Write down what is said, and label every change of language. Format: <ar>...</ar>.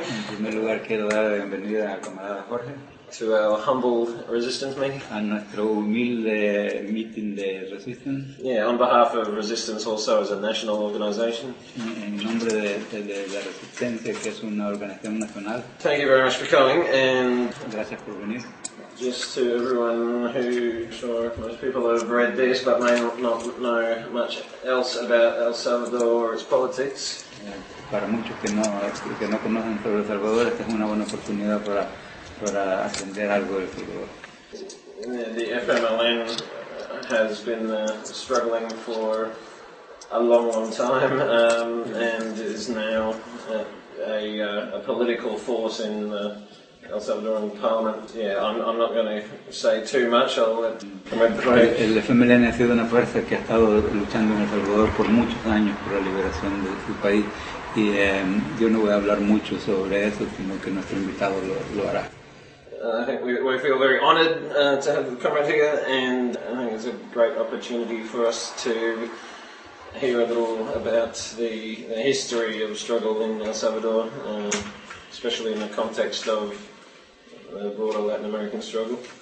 <es>En primer lugar quiero dar la bienvenida a camarada Jorge.</es> <en>To our humble resistance meeting.</en> <es>A nuestro humilde meeting de resistance.</es> <en>Yeah, on behalf of resistance also as a national organization.</en> <es>En nombre de la resistencia que es una organización nacional.</es> <en>Thank you very much for coming and.</en> <es>Gracias por venir.</es> <en>Just to everyone who, I'm sure most people have read this, but may not know much else about El Salvador or its politics.</en> <es>Para muchos que no conocen sobre El Salvador, esta es una buena oportunidad para aprender algo del Salvador.</es> <en>The FMLN has been struggling for a long time, and is now a political force in the El Salvadoran Parliament. Yeah, I'm not going to say too much. I'll let</en> <es>El FMLN ha sido una fuerza que ha estado luchando en El Salvador por muchos años por la liberación de su país, y yo no voy a hablar mucho sobre eso, sino que nuestro invitado lo hará.</es> <en>I think we feel very honored to have the comrade here, and I think it's a great opportunity for us to hear a little about the history of struggle in El Salvador. Especially in the context of the broader Latin American struggle.</en>